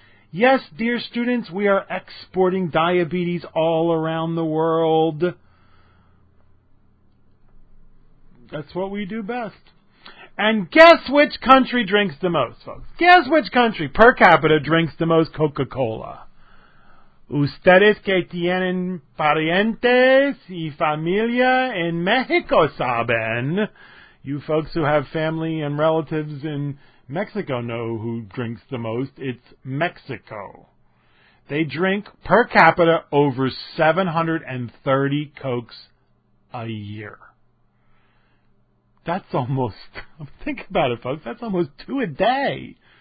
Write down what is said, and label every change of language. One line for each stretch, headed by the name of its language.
English: Yes, dear students, we are exporting diabetes all around the world. That's what we do best. And guess which country drinks the most, folks? Guess which country per capita drinks the most Coca-Cola?
Spanish: Ustedes que tienen parientes y familia en México saben.
English: You folks who have family and relatives in Mexico know who drinks the most. It's Mexico. They drink per capita over 730 Cokes a year. That's almost, think about it, folks, that's almost two a day.